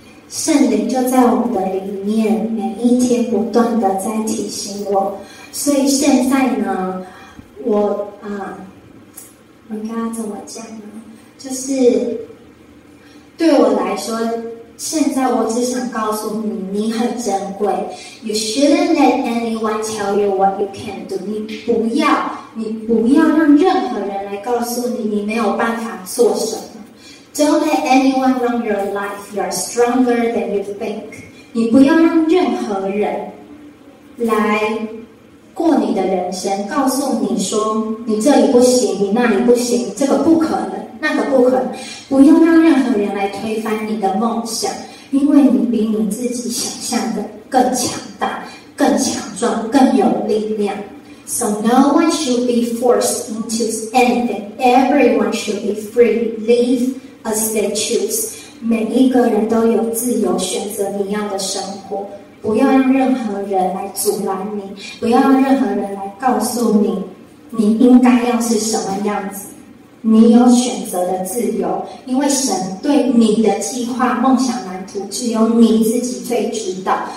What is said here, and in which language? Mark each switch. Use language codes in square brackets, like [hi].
[zh] 圣灵就在我们的里面，每一天不断的在提醒我。所以现在呢，我应该怎么讲呢？就是对我来说，现在我只想告诉你，你很珍贵。 [en] You shouldn't let anyone tell you what you can do. [zh] 你不要让任何人来告诉你你没有办法做什么。 [en] Don't let anyone run your life. You are stronger than you think. [zh] 你不要让任何人来过你的人生，告诉你说你这里不行，你那里不行，这个不可能，那个不可能。不要让任何人来推翻你的梦想，因为你比你自己想象的更强大、更强壮、更有力量。 [en] So no one should be forced into anything. Everyone should be free. Live as they choose. [zh] 每一个人都有自由选择你要的生活。不要让任何人来阻拦你，不要让任何人来告诉你你应该要是什么样子。你有选择的自由，因为神对你的计划、梦想、蓝图只有你自己最知道。